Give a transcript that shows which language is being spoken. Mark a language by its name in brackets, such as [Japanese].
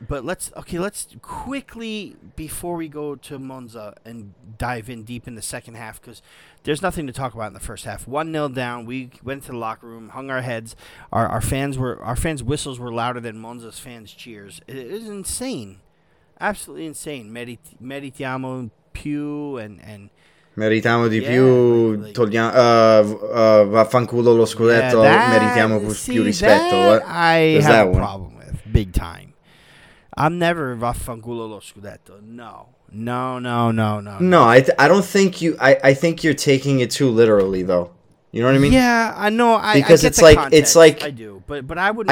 [English] But let's quickly, before we go to Monza and dive in deep in the second half, because there's nothing to talk about in the first half. 1-0 down, we went to the locker room, hung our heads. Our fans' whistles were louder than Monza's fans' cheers. It is insane, absolutely insane. [Italian] Meritiamo più and meritiamo di, yeah, più, like, togliamo vaffanculo lo scudetto. Yeah, meritiamo più rispetto. [English] What? I have a problem with big time. I'm never [Italian] vaffanculo lo scudetto. [English] No. No, no, no, no. No, I don't think you. I think you're taking it too literally, though. You know what I mean? Yeah, I know. Because I get it's like I do, but I wouldn't.